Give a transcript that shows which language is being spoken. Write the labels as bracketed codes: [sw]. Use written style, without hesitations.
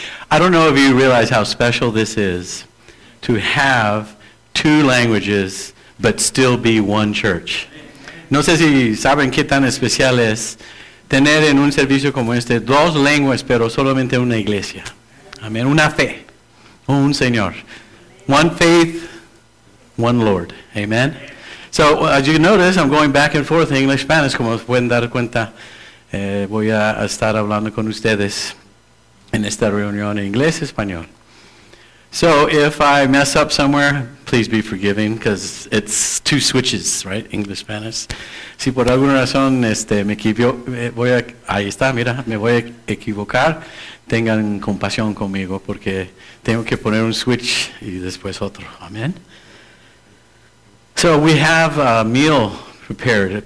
[en] I don't know if you realize how special this is to have two languages but still be one church. [es] No sé si saben qué tan especial es tener en un servicio como este dos lenguas pero solamente una iglesia. Amén. Una fe. Un Señor. [en] One faith, one Lord. Amen. So, as you notice, I'm going back and forth in English, Spanish, [es] como pueden dar cuenta. Voy a estar hablando con ustedes en esta reunión en inglés y español. [en] So, if I mess up somewhere, please be forgiving, because it's two switches, right? English, Spanish. [es] Si por alguna razón me equivoco, me voy a equivocar, tengan compasión conmigo, porque tengo que poner un switch y después otro. [en] Amen. So we have a meal prepared.